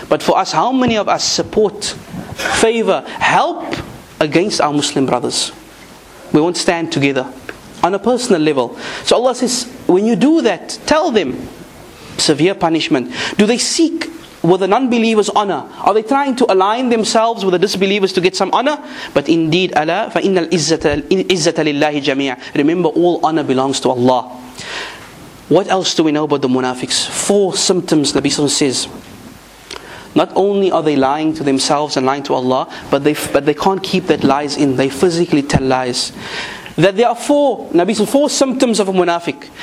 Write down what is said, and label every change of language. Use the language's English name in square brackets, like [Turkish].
[English] But for us, how many of us support, favor, help against our Muslim brothers? We won't stand together on a personal level. So Allah says, when you do that, tell them severe punishment. Do they seek with the non-believers honor? Are they trying to align themselves with the disbelievers to get some honor? But indeed, Allah, [Arabic] فَإِنَّ الْإِزَّةَ لِلَّهِ جَمِيعًا. [English] Remember, all honor belongs to Allah. What else do we know about the munafiqs? Four symptoms, Nabi Sallallahu Alaihi Wasallam says. Not only are they lying to themselves and lying to Allah, but they can't keep that lies in. They physically tell lies. That there are four, Nabi said, four symptoms of a munafiq.